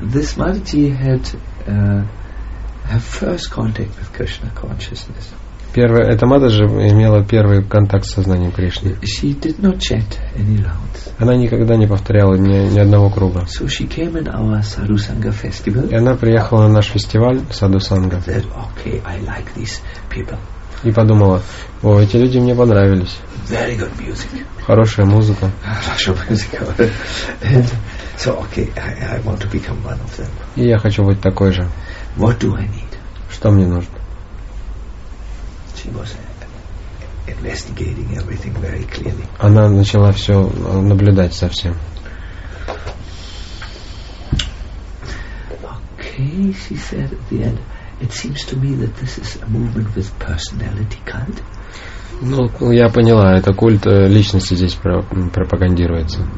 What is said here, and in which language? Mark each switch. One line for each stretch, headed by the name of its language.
English: This Matiji had her first contact with Krishna consciousness.
Russian: Первая эта Матиджи имела первый контакт с сознанием Кришны.
English: She did not chant any rounds.
Russian: Она никогда не повторяла ни одного круга.
English: So she came in our Sadhu Sangha festival.
Russian: И она приехала на наш фестиваль Sadhu Sangha.
English: Said, okay, I like these people.
Russian: И подумала, о, эти люди мне понравились.
English: Very good music.
Russian: Хорошая музыка. Хорошая музыка.
English: And so, okay, I want to become one of them.
Russian: И я хочу быть такой же.
English: What do I need?
Russian: Что мне нужно?
English: She was investigating everything very clearly.
Russian: Она начала все наблюдать совсем.
English: Okay, she said at the end. It seems to me that this is a movement with personality cult.
Russian: Ну, я поняла, это культ личности здесь пропагандируется.